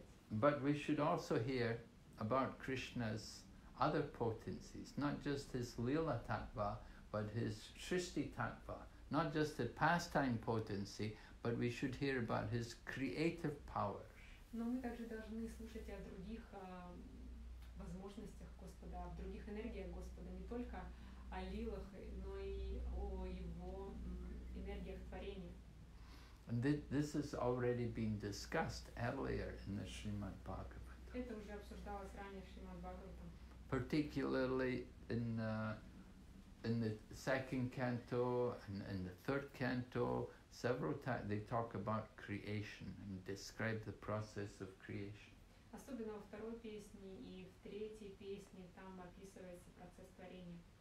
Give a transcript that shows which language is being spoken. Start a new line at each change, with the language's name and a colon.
English: But we should also hear about Krishna's other potencies, not just his lila tattva, but his srishti tattva. Not just the pastime potency, but we should hear about his creative power.
Russian: Но мы также должны слушать о других возможностях Господа, о других энергиях Господа, не только о лилах, но и о его энергиях творения.
English: And this has already been discussed earlier in the Srimad Bhagavatam.
Russian: Это уже обсуждалось ранее в Шримад Бхагаватам.
English: Particularly in the second canto and in the third canto. Several times they talk about creation and describe the process of creation.
Russian: Особенно во второй песне и в третьей песне там описывается процесс творения.